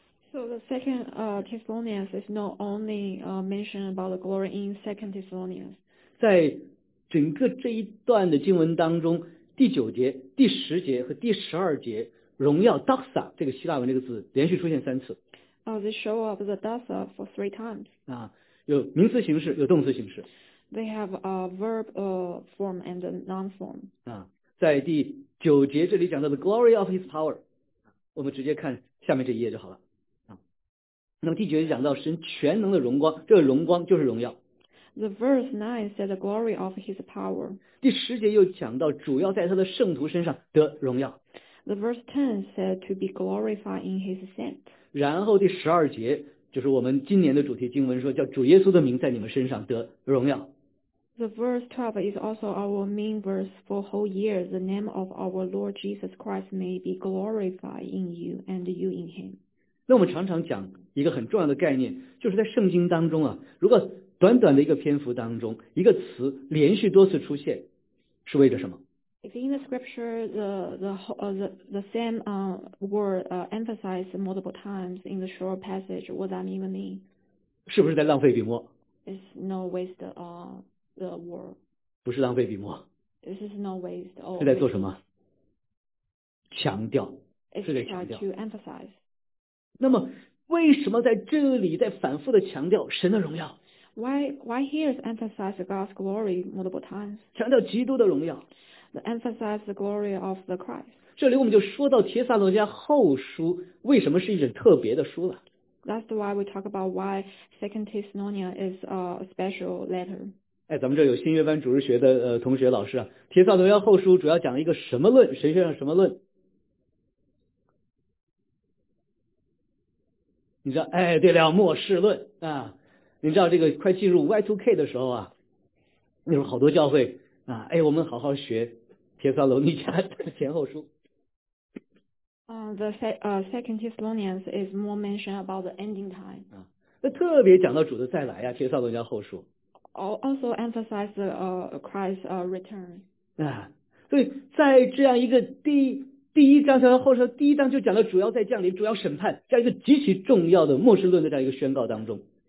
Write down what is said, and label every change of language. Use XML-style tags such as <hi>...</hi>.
<en>So the second Thessalonians is not only mentioned about the glory in second Thessalonians.</en> <zh>在整个这一段的经文当中，第九节、第十节和第十二节，荣耀 doxa 这个希腊文这个字连续出现三次。</zh> <en>They show up the doxa for three times.</en> <zh>啊，有名词形式，有动词形式。</zh> <en>They have a verb form and a noun form.</en> <zh>啊，在第九节这里讲到的</zh> <en>glory of his power，</en> <zh>我们直接看下面这一页就好了。那么第九节讲到神全能的荣光，这个荣光就是荣耀。</zh> <en>The verse 9 said the glory of his power.</en> <zh>第十节又讲到主要在他的圣徒身上得荣耀。</zh> <en>The verse 10 said to be glorified in his saint.</en> <zh>然后第十二节就是我们今年的主题经文说叫主耶稣的名在你们身上得荣耀。</zh> <en>The verse 12 is also our main verse for whole year. The name of our Lord Jesus Christ may be glorified in you and you in him.</en> <zh>那我们常常讲一个很重要的概念，就是在圣经当中啊，如果短短的一个篇幅当中一个词连续多次出现是为着什么。</zh> <en>If in the scripture the same word emphasized multiple times in the short passage, what does that even mean?</en> <zh>是不是在浪费笔墨？</zh> <en>It's no waste the word.</en> <zh>不是浪费笔墨。</zh> <en>This is no waste.</en> <zh>是在做什么？强调。</zh> <en>It's trying to emphasize.</en> <zh>那么为什么在这里在反复的强调神的荣耀？</zh> <en>Why here is emphasized God's glory multiple times?</en> <zh>强调基督的荣耀。</zh> <en>The emphasize the glory of the Christ.</en> <zh>这里我们就说到帖撒罗尼迦后书为什么是一卷特别的书了。</zh> <en>That's why we talk about why Second Thessalonians is a special letter.</en> <zh>哎，咱们这有新约班主日学的同学老师啊，《帖撒罗尼迦后书》主要讲一个什么论？神学上什么论？你知道？哎，对了，末世论啊！你知道这个快进入 Y2K 的时候啊，那时候好多教会啊，哎，我们好好学《帖撒罗尼迦前后书》。</zh> <en>Second Thessalonians is more mentioned about the ending time.</en> <zh>啊，那特别讲到主的再来呀，《帖撒罗尼迦后书》。</zh> <en>Also emphasize Christ's return.</en> <zh>啊，所以在这样一个第一章和后书第一章就讲到主要在降临、主要审判这样一个极其重要的末世论的这样一个宣告当中。</zh>